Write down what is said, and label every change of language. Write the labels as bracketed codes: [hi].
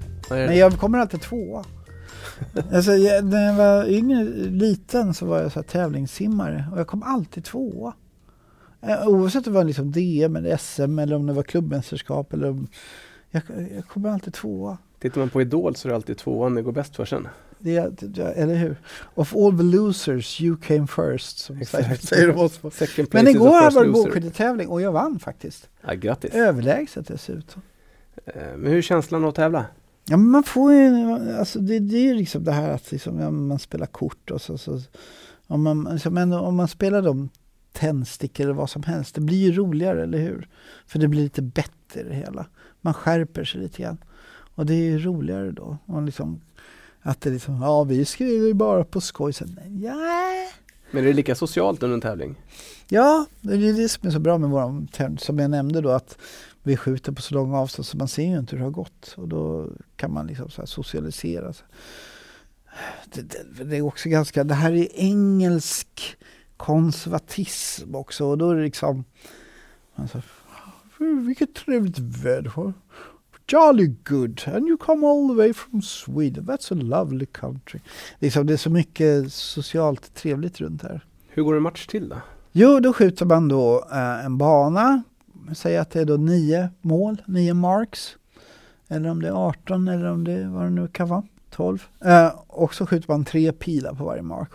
[sv] Men jag kommer alltid två. Alltså, när jag var yngre, liten, så var jag så här tävlingssimmare. Och jag kom alltid två. Oavsett om det var liksom DM eller SM eller om det var klubbmästerskap. Eller om, jag kommer alltid två. Tittar man på Idol så är det alltid tvåan det går bäst för sen. Eller hur? [en] Of all the losers, you came first. [sv] Som exakt. Säger [en] place. [sv] Men igår har varit bågskyttetävling och jag vann faktiskt. Ja, grattis. Överlägset dessutom. Men hur är känslan att tävla? Ja, men man får ju, alltså det är liksom det här att liksom, ja, man spelar kort och så. Om man, liksom, men om man spelar de tändstick eller vad som helst, det blir ju roligare, eller hur? För det blir lite bättre det hela. Man skärper sig lite grann. Och det är ju roligare då. Och liksom, att det är liksom, ja, vi skriver ju bara på skoj. Så, Men är det lika socialt under en tävling? Ja, det är det som är så bra med våran tävling. Som jag nämnde då, att vi skjuter på så långa avstånd så man ser ju inte hur det har gått. Och då kan man liksom så här socialisera. Det är också ganska, det här är engelsk konservatism också. Och då är det liksom, man så här, vilket trevligt väder. [en] Jolly good, and you come all the way from Sweden. That's a lovely country. [sv] Liksom, det är så mycket socialt trevligt runt här. Hur går en match till då? Jo, då skjuter man då en bana. Säg att det är då 9 marks. Eller om det är 18, eller om det är vad det nu kan vara, 12. Och så skjuter man 3 pilar på varje mark.